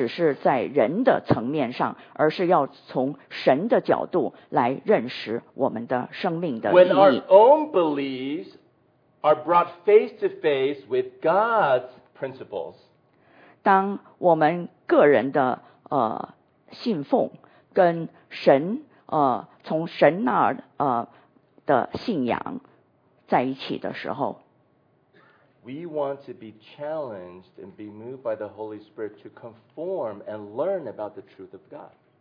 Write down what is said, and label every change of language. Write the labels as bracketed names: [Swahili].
[Chinese] 我们对生命的真正的认识，不应该只是在人的层面上， 而是要从神的角度来认识我们的生命的意义。 [English] When our own beliefs are brought face to face with God's principles, [Chinese] 当我们个人的信奉跟神从神那儿的信仰在一起的时候， [English] we want to be challenged and be moved by the Holy Spirit to conform and learn about the truth of God.